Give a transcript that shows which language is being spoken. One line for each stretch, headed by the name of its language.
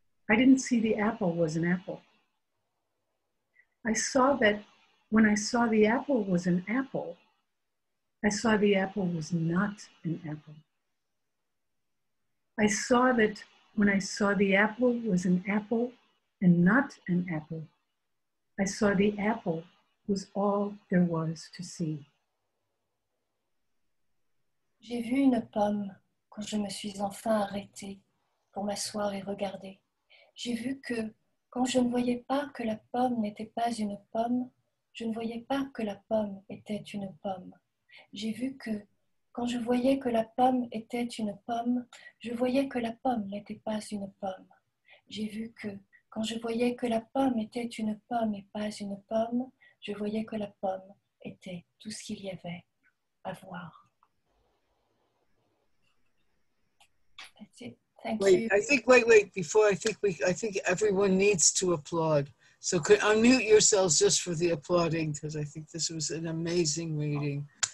English: I didn't see the apple was an apple. I saw that when I saw the apple was an apple, I saw the apple was not an apple. I saw that when I saw the apple was an apple and not an apple, I saw the apple was all there was to see.
French: J'ai vu une pomme quand je me suis enfin arrêtée pour m'asseoir et regarder. J'ai vu que quand je ne voyais pas que la pomme n'était pas une pomme, je ne voyais pas que la pomme était une pomme. J'ai vu que, quand je voyais que la pomme était une pomme, je voyais que la pomme n'était pas une pomme. J'ai vu que, quand je voyais que la pomme était une pomme et pas une pomme, je voyais que la pomme était tout ce qu'il y avait à voir.
English: That's it. Thank wait, you. I think, wait, before I think everyone needs to applaud. So could unmute yourselves just for the applauding, because I think this was an amazing reading.